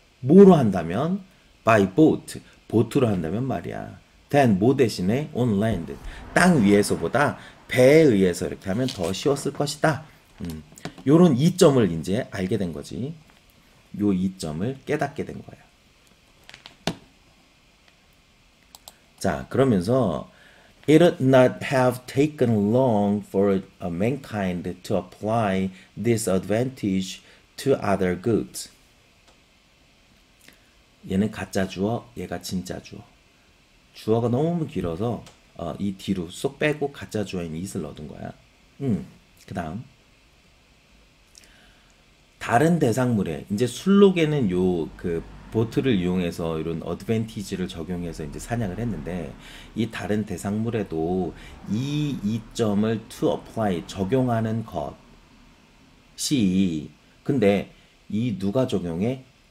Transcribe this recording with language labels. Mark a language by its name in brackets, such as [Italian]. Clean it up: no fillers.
[Korean] 뭐로 한다면? [English] by boat, [Korean] 보트로 한다면 말이야. [English] than, [Korean] 뭐 대신에? [English] on land, [Korean] 땅 위에서보다 배에 의해서 이렇게 하면 더 쉬웠을 것이다. 요런 이점을 이제 알게 된 거지. 요 이점을 깨닫게 된 거야. 자, 그러면서 [English] It would not have taken long for mankind to apply this advantage to other goods. [Korean] 얘는 가짜 주어, 얘가 진짜 주어. 주어가 너무 길어서 이 뒤로 쏙 빼고 가짜 주어인 it을 넣어둔 거야. 그 다음 다른 대상물에 이제 술록에는 요그 보트를 이용해서 이런 어드밴티지를 적용해서 이제 사냥을 했는데 이 다른 대상물에도 이 이점을 [English] to apply [Korean] 적용하는 것이 근데 이 누가 적용해?